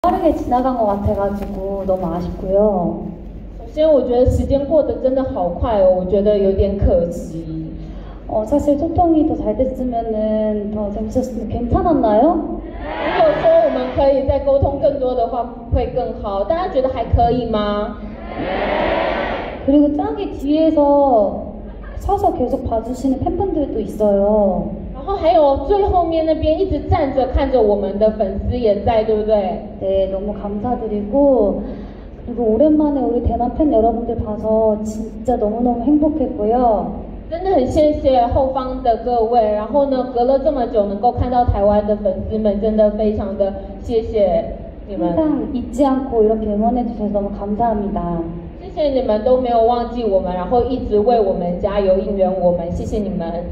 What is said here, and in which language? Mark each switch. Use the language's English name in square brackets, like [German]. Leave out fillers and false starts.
[Korean] 빠르게 지나간 것 같아가지고 너무 아쉽고요. [Chinese] 首先，我觉得时间过得真的好快哦，我觉得有点可惜。 [Korean] 사실 소통이 더잘 됐으면은 더 재밌었으면 괜찮았나요? [Chinese] 如果说我们可以再沟通更多的话，会更好。大家觉得还可以吗？ [Korean] 그리고짱이뒤에서서서계속봐주시는팬분들도있어요 [Chinese] 然后还有最后面那边一直站着看着我们的粉丝也在，对不对？ [Korean] 네너무감사드리고그리고오랜만에우리대만팬여러분들봐서진짜너무너무행복했고요 [Chinese] 真的很谢谢后方的各位，然后呢，隔了这么久能够看到台湾的粉丝们，真的非常的谢谢你们。 [Korean] 항상잊지않고이렇게응원해주셔서너무감사합니다 [Chinese] 谢谢你们都没有忘记我们，然后一直为我们加油应援我们，谢谢你们。